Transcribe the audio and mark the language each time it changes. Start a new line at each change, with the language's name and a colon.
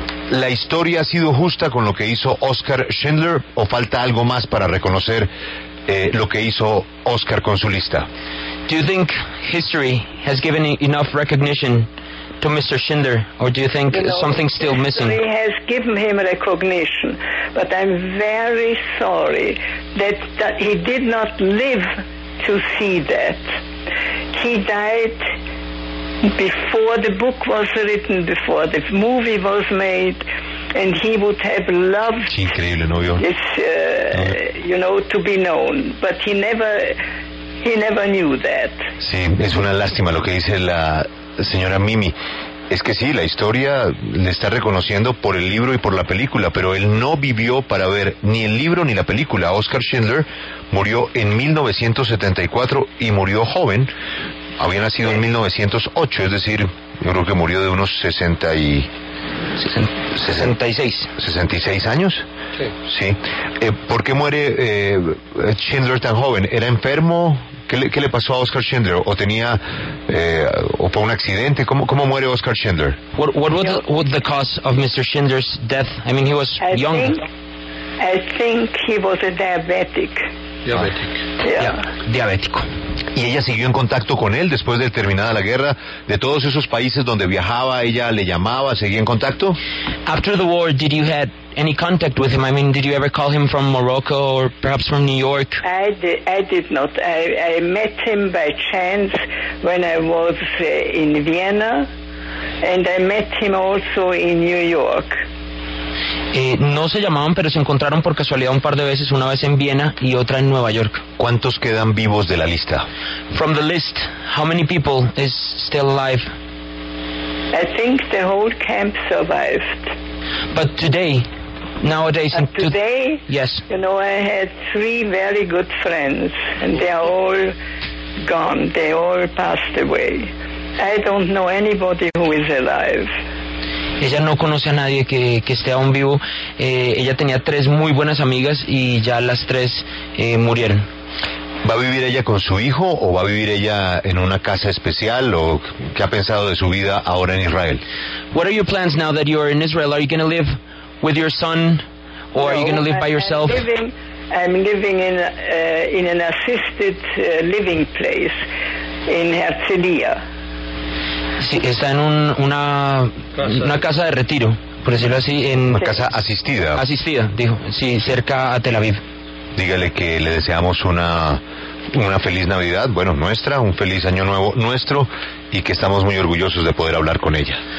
Spanish: ¿La historia ha sido justa con lo que hizo Oscar Schindler o falta algo más para reconocer lo que hizo Oscar con su lista?
English: Do you think history has given enough recognition to Mr. Schindler, or do you think something's still missing? History has given him recognition, but I'm very sorry that he did not live to see that. He died before the book was written, before the movie was made. And he would have loved to be known, but he never knew that.
Spanish: Sí, es una lástima lo que dice la señora Mimi. Es que sí, la historia le está reconociendo por el libro y por la película, pero él no vivió para ver ni el libro ni la película. Oscar Schindler murió en 1974 y murió joven. Había nacido en 1908, es decir, yo creo que murió de unos 66 años. Sí. ¿Por qué muere Schindler tan joven? ¿Era enfermo? ¿Qué le pasó a Oscar Schindler? ¿O tenía o fue un accidente? ¿Cómo muere Oscar Schindler?
English: What was the cause of Mr. Schindler's death? I mean, he was young. I think he was a diabetic.
Spanish: Diabético. ¿Y ella siguió en contacto con él después de terminada la guerra? ¿De todos esos países donde viajaba, ella le llamaba, seguía en contacto?
English: After the war, did you have any contact with him? I mean, did you ever call him from Morocco or perhaps from New York? I did not. I met him by chance when I was in Vienna, and I met him also in New York.
Spanish: No se llamaban, pero se encontraron por casualidad un par de veces, una vez en Viena y otra en Nueva York. ¿Cuántos quedan vivos de la lista?
English: From the list, how many people is still alive? I think the whole camp survived. But today, nowadays... Yes. You know, I had three very good friends, and they are all gone. They all passed away. I don't know anybody who is alive.
Spanish: Ella no conoce a nadie que esté aún vivo. Ella tenía tres muy buenas amigas y ya las tres murieron. ¿Va a vivir ella con su hijo o va a vivir ella en una casa especial o qué ha pensado de su vida ahora en Israel?
English: What are your plans now that you're in Israel? Are you going to live with your son or no, are you going to live by yourself? I'm living in an assisted living place in Herzliya.
Spanish: Sí, está en una casa de retiro, por decirlo así, en una casa asistida. Asistida, dijo. Sí, cerca a Tel Aviv. Dígale que le deseamos una feliz Navidad, bueno, nuestra, un feliz año nuevo nuestro, y que estamos muy orgullosos de poder hablar con ella.